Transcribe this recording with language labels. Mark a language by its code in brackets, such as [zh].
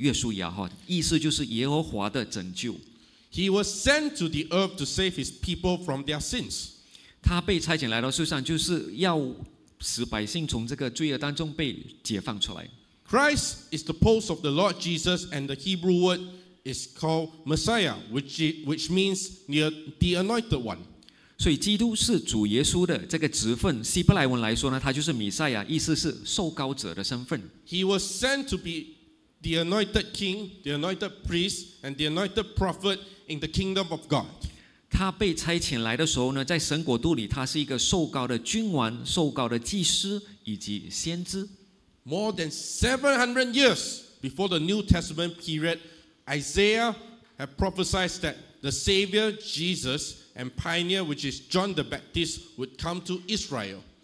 [zh] 所以耶稣在希伯来文的意思呢，他的读音是约书亚，意思就是耶和华的拯救。 [en] He was sent to the earth to save his people from their sins. [zh] 他被差遣来到世上，就是要使百姓从这个罪恶当中被解放出来。 [en] Christ is the post of the Lord Jesus, and the Hebrew word is called Messiah, which means the anointed one. [zh] 所以基督是主耶稣的这个职分，希伯来文来说呢，他就是弥赛亚，意思是受膏者的身份。 [en] He was sent to be the anointed king, the anointed priest, and the anointed prophet in the kingdom of God. [zh] 他被差遣来的时候呢，在神国度里，他是一个受膏的君王、受膏的祭司以及先知。 [en] More than 700 years before the New Testament period, Isaiah had prophesied that the Savior Jesus and pioneer, which is John the Baptist, would come to Israel.